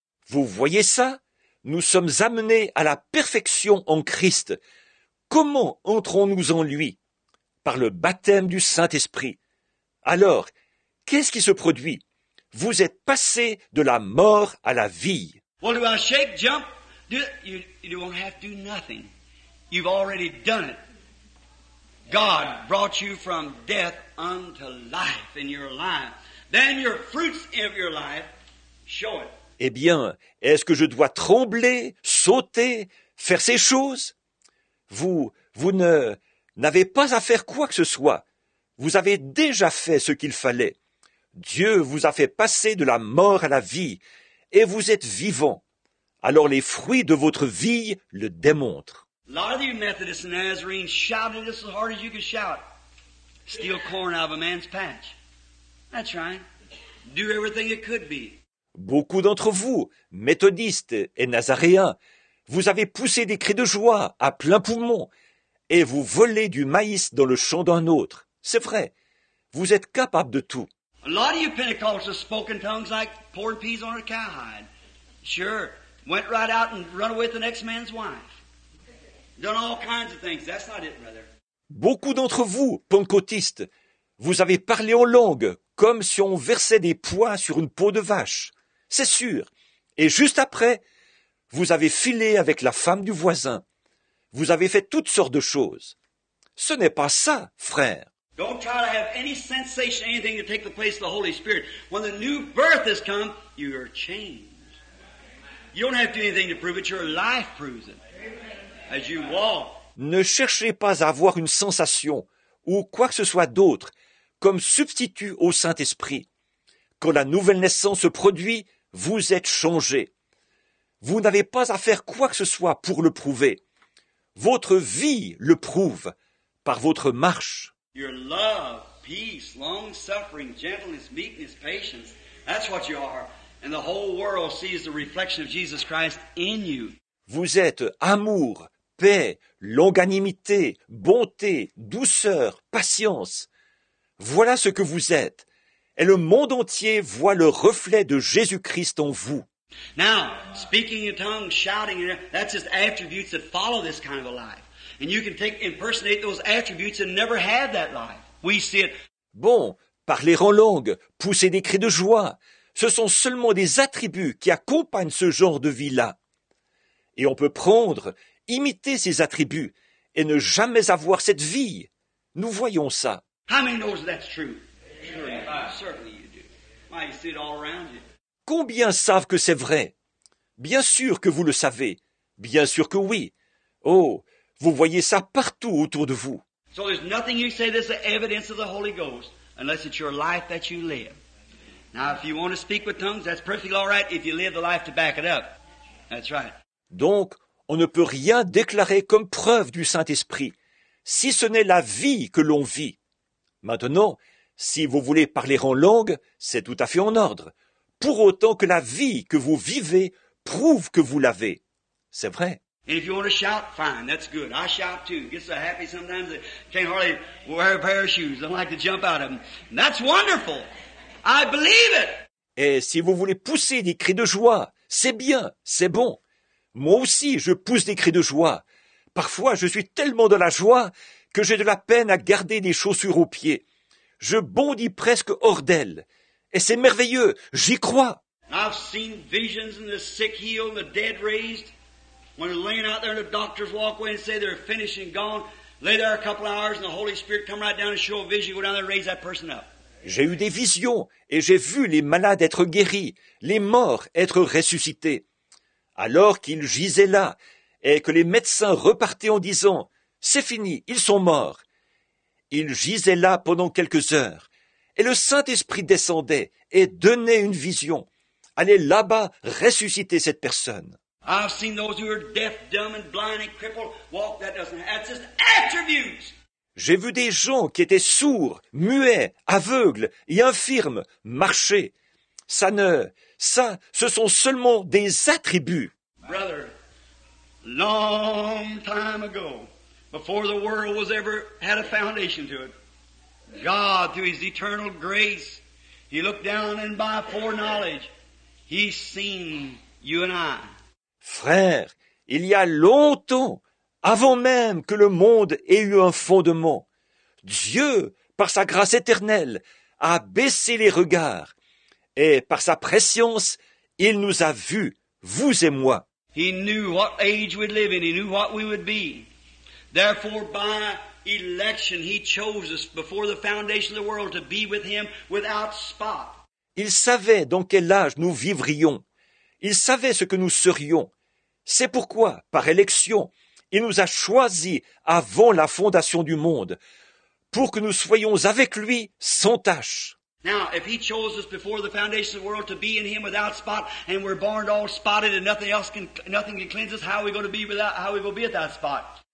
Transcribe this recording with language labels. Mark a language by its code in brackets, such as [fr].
[fr] Vous voyez ça? Nous sommes amenés à la perfection en Christ. Comment entrons-nous en lui? Par le baptême du Saint-Esprit. Alors, qu'est-ce qui se produit? Vous êtes passé de la mort à la vie. [en] Well, do I shake, jump? Do you don't have to do nothing. You've already done it. God brought you from death unto life in your life. Then your fruits of your life show it. [fr] Eh bien, est-ce que je dois trembler, sauter, faire ces choses? Vous n'avez pas à faire quoi que ce soit. Vous avez déjà fait ce qu'il fallait. Dieu vous a fait passer de la mort à la vie, et vous êtes vivant. Alors les fruits de votre vie le démontrent. [en] A lot of you Methodists and Nazarenes shouted this as hard as you could shout. Steal corn out of a man's patch. That's right. Do everything it could be. [fr] Beaucoup d'entre vous, méthodistes et nazaréens, vous avez poussé des cris de joie à plein poumon et vous volez du maïs dans le champ d'un autre. C'est vrai, vous êtes capables de tout. [en] A lot of you Pentecostals spoke in tongues like pouring peas on a cowhide. Sure, went right out and run away with the next man's wife. Done all kinds of things. That's not it, brother. [fr] Beaucoup d'entre vous, pentecôtistes, vous avez parlé en langue comme si on versait des pois sur une peau de vache. C'est sûr. Et juste après, vous avez filé avec la femme du voisin. Vous avez fait toutes sortes de choses. Ce n'est pas ça, frère. [en] Don't try to have any sensation, anything to take the place of the Holy Spirit. When the new birth has come, you are changed. You don't have to do anything to prove it. Your life proves it. As you walk. [fr] Ne cherchez pas à avoir une sensation ou quoi que ce soit d'autre comme substitut au Saint-Esprit. Quand la nouvelle naissance se produit, vous êtes changé. Vous n'avez pas à faire quoi que ce soit pour le prouver. Votre vie le prouve par votre marche. [en] Your love, peace, long-suffering, gentleness, meekness, patience, that's what you are. And the whole world sees the reflection of Jesus Christ in you. [fr] Vous êtes amour, paix, longanimité, bonté, douceur, patience. Voilà ce que vous êtes. Et le monde entier voit le reflet de Jésus-Christ en vous. [en] Now, speaking in tongues, shouting, that's just attributes that follow this kind of a life. And you can take, impersonate those attributes and never have that life. We see it. [fr] Bon, parler en langue, pousser des cris de joie, ce sont seulement des attributs qui accompagnent ce genre de vie-là. Et on peut prendre, imiter ses attributs et ne jamais avoir cette vie. Nous voyons ça. [en] How many knows that's true? Sure, certainly you do. Why, you see it all around you. [fr] Combien savent que c'est vrai? Bien sûr que vous le savez. Bien sûr que oui. Oh, vous voyez ça partout autour de vous. [en] So there's nothing you say that's the evidence of the Holy Ghost unless it's your life that you live. Now, if you want to speak with tongues, that's perfectly all right if you live the life to back it up. That's right. [fr] Donc, on ne peut rien déclarer comme preuve du Saint-Esprit, si ce n'est la vie que l'on vit. Maintenant, si vous voulez parler en langue, c'est tout à fait en ordre, pour autant que la vie que vous vivez prouve que vous l'avez. C'est vrai. [en] And if you want to shout, fine, that's good. I shout too. Get so happy sometimes I can't hardly wear a pair of shoes. I like to jump out of them. And that's wonderful. I believe it. [fr] Et si vous voulez pousser des cris de joie, c'est bien, c'est bon. Moi aussi, je pousse des cris de joie. Parfois, je suis tellement dans la joie que j'ai de la peine à garder des chaussures aux pieds. Je bondis presque hors d'elles. Et c'est merveilleux, j'y crois. [en] I've seen visions and the sick healed and the dead raised. When they're laying out there and the doctors walk away and say they're finished and gone, lay there a couple of hours and the Holy Spirit come right down and show a vision, go down there and raise that person up. [fr] J'ai eu des visions et j'ai vu les malades être guéris, les morts être ressuscités. Alors qu'ils gisaient là, et que les médecins repartaient en disant « C'est fini, ils sont morts !» Ils gisaient là pendant quelques heures, et le Saint-Esprit descendait et donnait une vision. Allez là-bas, ressusciter cette personne. [en] I've seen those who are deaf, dumb, and blind, and crippled walk. That doesn't have just attributes. [fr] J'ai vu des gens qui étaient sourds, muets, aveugles et infirmes marcher. Ça, ce sont seulement des attributs. [en] Brother, long time ago, before the world was ever had a foundation to it, God, through His eternal grace, He looked down and by foreknowledge, He seen you and I. [fr] Frère, il y a longtemps, avant même que le monde ait eu un fondement, Dieu, par sa grâce éternelle, a baissé les regards. Et par sa prescience, il nous a vus, vous et moi. [en] He knew what age we'd live in. He knew what we would be. Therefore, by election. He chose us before the foundation of the world to be with him without spot. [fr] Il savait dans quel âge nous vivrions. Il savait ce que nous serions. C'est pourquoi, par élection, il nous a choisis avant la fondation du monde, pour que nous soyons avec lui sans tache. [en] Now, if he chose us before the foundation of the world to be in him without spot, and we're born all spotted and nothing can cleanse us, how are we going to be without spot?